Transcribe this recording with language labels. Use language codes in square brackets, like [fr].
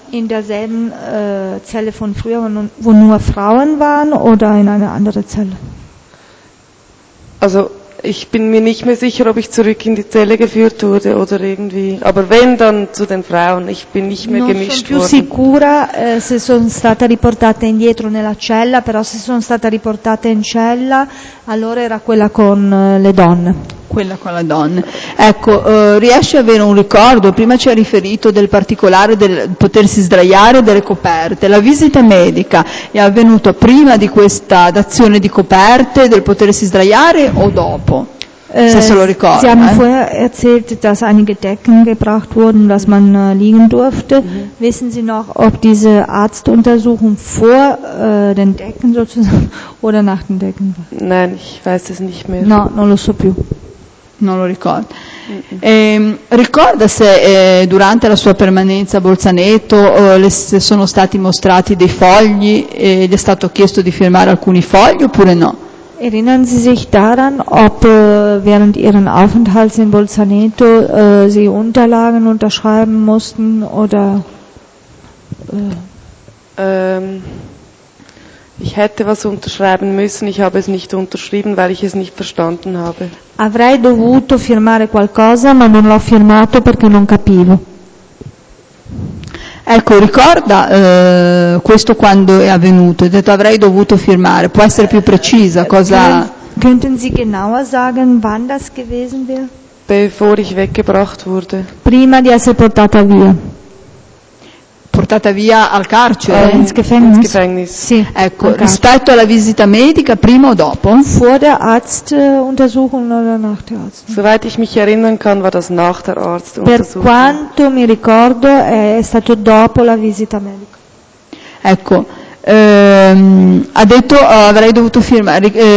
[de] In derselben Zelle von früher, wo nur Frauen waren, oder in einer anderen Zelle? Also, ich bin mir nicht mehr sicher, ob ich zurück in die Zelle geführt wurde oder irgendwie. Aber wenn, dann zu den Frauen. Ich bin nicht mehr [it] non [de] gemischt worden. [it] Non sono più sicura se sono stata riportata indietro nella cella, però se sono stata riportata in cella, allora era quella con le donne. Quella con le donne. Ecco, riesce ad avere un ricordo? Prima ci ha riferito del particolare del potersi sdraiare e delle coperte. La visita medica è avvenuta prima di questa d'azione di coperte, del potersi sdraiare o dopo? Se se lo ricorda. [de] Sie haben vorher erzählt, dass einige Decken gebracht wurden, dass man liegen durfte. Mhm. Wissen Sie noch, ob diese Arztuntersuchung vor den Decken sozusagen oder nach den Decken war? Nein, ich weiß es nicht mehr. [it] No, non lo so più. Non lo ricordo. Ricorda se durante la sua permanenza a Bolzaneto le sono stati mostrati dei fogli e gli è stato chiesto di firmare alcuni fogli oppure no? [de] Erinnern Sie sich daran, ob während Ihren Aufenthalts in Bolzaneto Sie Unterlagen unterschreiben mussten oder? Ich hätte was unterschreiben müssen, ich habe es nicht unterschrieben, weil ich es nicht verstanden habe. [it] Avrei dovuto firmare qualcosa, ma non l'ho firmato perché non capivo. Ecco, ricorda questo quando è avvenuto, ha detto avrei dovuto firmare, può essere più precisa cosa... [de] Könnten Sie genauer sagen, wann das gewesen wäre? Bevor ich weggebracht wurde. [it] Prima di essere portata via. Portata via al carcere? [de] Ins Gefängnis. Ins Gefängnis. [it] Sì, ecco, rispetto alla visita medica, prima o dopo? [de] Vor der Arztuntersuchung oder nach der Arztuntersuchung? Soweit ich mich erinnern kann, war das nach der Arztuntersuchung. [it] Per quanto mi ricordo, è stato dopo la visita medica. Ecco, ha detto avrei dovuto firmare.